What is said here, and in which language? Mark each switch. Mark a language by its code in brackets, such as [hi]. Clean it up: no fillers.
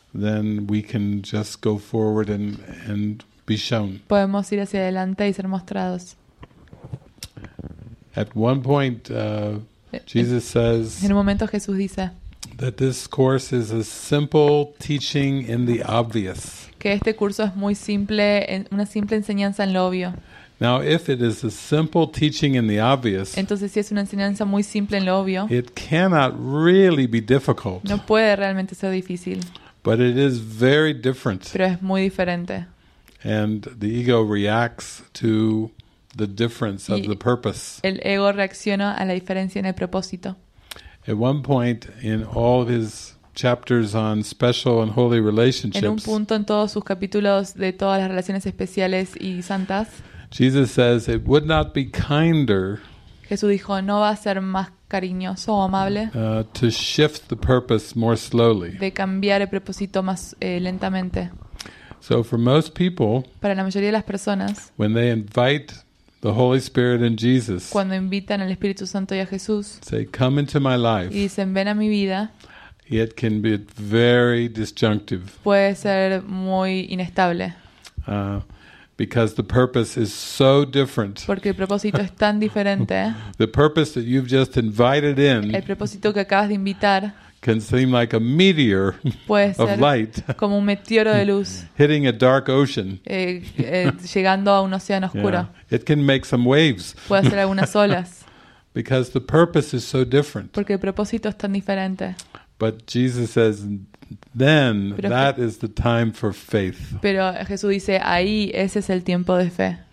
[en] Then we can just go forward and be shown. [es] Podemos ir hacia adelante y ser mostrados. [en] At one point, Jesus says. [es] En un momento Jesús dice. [en] That this course is a simple teaching in the obvious. [es] Que este curso es muy simple, una simple enseñanza en lo obvio. [en] Now, if it is a simple teaching in the obvious, [es] entonces si es una enseñanza muy simple en lo obvio, [en] it cannot really be difficult. [es] No puede realmente ser difícil. [en] But it is very different. [es] Pero es muy diferente. [en] And the ego reacts to the difference of the purpose. [es] El ego reacciona a la diferencia en el propósito. [en] At one point in all of his chapters on special and holy relationships, [es] en un punto en todos sus capítulos de todas las relaciones especiales y santas, [en] Jesus says it would not be kinder. [es] Jesús dijo, no va a ser más cariñoso o amable. [en] To shift the purpose more slowly. [es] De cambiar el propósito más lentamente. [en] So for most people, [es] para la mayoría de las personas, [en] when they invite the Holy Spirit and Jesus, [es] cuando invitan al Espíritu Santo y a Jesús, [en] say, come into my life, [es] y dicen, ven a mi vida, [en] it can be very disjunctive. [es] Puede ser muy inestable. [en] Because the purpose is so different. [es] Porque el propósito es tan diferente. [en] The purpose that you've just invited in, [es] el propósito que acabas de invitar, [en] can seem like a meteor of light, [es] como un meteoro de luz, [en] hitting a dark ocean, [es] llegando a un océano oscuro. [en] Yeah. It can make some waves. [es] Puede hacer algunas olas. [en] Because the purpose is so different. [es] Porque el propósito es tan diferente. [en] But Jesus says, then that is the time for faith. [es] Pero Jesús dice, ahí ese es el tiempo de fe.